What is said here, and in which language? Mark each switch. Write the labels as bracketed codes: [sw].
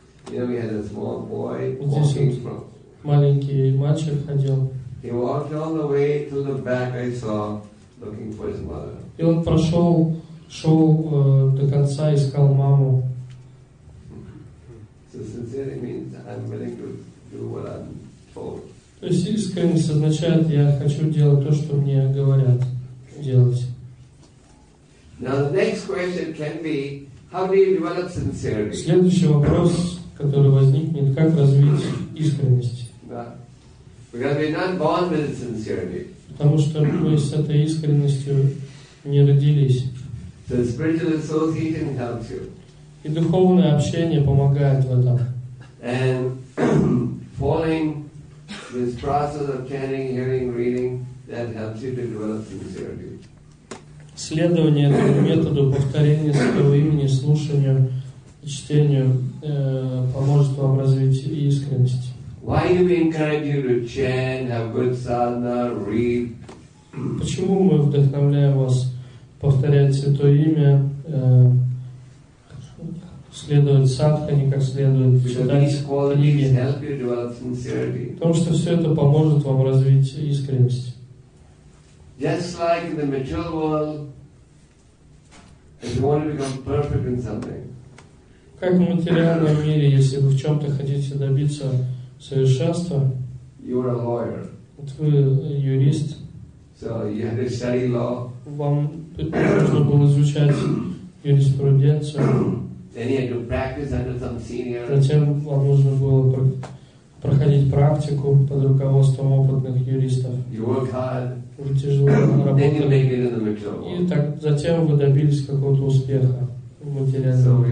[ru] Вот здесь вот маленький мальчик ходил. И он прошел, шел до конца, искал маму. [en] So sincerity means I'm willing to do what I'm told. [ru] То есть искренность означает, я хочу делать то, что мне говорят делать. [en] Now the next question can be, how do you develop sincerity? [ru] Следующий вопрос, который возникнет, как развить искренность? [en] Because we're not born with sincerity. [ru] Потому что мы с этой искренностью не родились. [en] So spiritual association helps you. [ru] И духовное общение помогает в этом. [en] And following this process of chanting, hearing, reading, that helps you to develop sincerity. [ru] Следование этому методу, повторение своего имени, слушанию, чтению поможет вам развить искренность. [en] Why do we encourage you to chant, have good sadhana, read? [ru] Почему мы вдохновляем вас повторять святое имя, следовать садхане как следует, потому что все это поможет вам развить искренность. [en] Just like in the material world, if you want to become perfect in something. [ru] Как в материальном мире, если вы в чем-то хотите добиться совершенства, [en] you're a lawyer. [ru] Вот вы юрист. [en] So you have to study law. [ru] Вам нужно было изучать юриспруденцию. [en] Then you had to practice under some senior. [ru] Затем вам нужно было проходить практику под руководством опытных юристов. [en] You work hard. [ru] Уже тяжело работать. И так, затем вы добились какого-то успеха в материальном